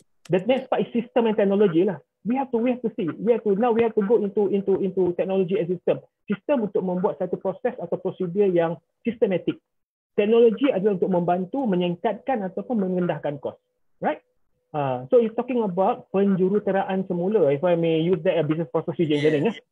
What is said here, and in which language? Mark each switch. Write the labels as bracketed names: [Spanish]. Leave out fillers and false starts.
[English] The next part is system and technology lah. We have to go into technology and system. [Malay] System untuk membuat satu proses atau prosedur yang sistematik. Technology adalah untuk membantu menyingkatkan ataupun mengendahkan kos. [English] Right? So you're talking about [Malay] penjuruteraan semula, [English] if I may use that business process engineering.